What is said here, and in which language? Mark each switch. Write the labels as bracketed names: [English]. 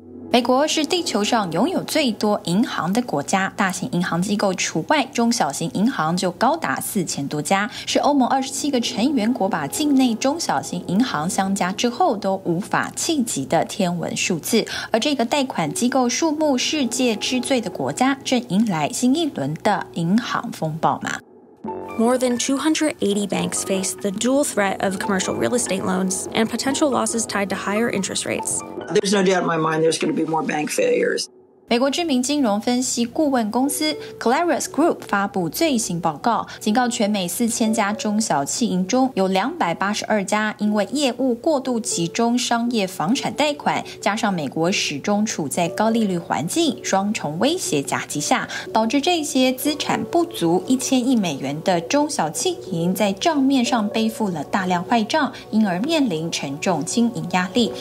[Chinese] 美国是地球上拥有最多银行的国家，大型银行机构除外，中小型银行就高达4000多家，是欧盟27个成员国把境内中小型银行相加之后都无法企及的天文数字。而这个贷款机构数目世界之最的国家，正迎来新一轮的银行风暴吗？ [English] More than 280 banks face the dual threat of commercial real estate loans and potential losses tied to higher interest rates. There's no doubt in my mind there's going to be more bank failures. [Chinese] 美国知名金融分析顾问公司 Clarus Group 发布最新报告，警告全美4000家中小企业中有282家因为业务过度集中商业房产贷款，加上美国始终处在高利率环境双重威胁夹击下，导致这些资产不足1000亿美元的中小企业在账面上背负了大量坏账，因而面临沉重经营压力。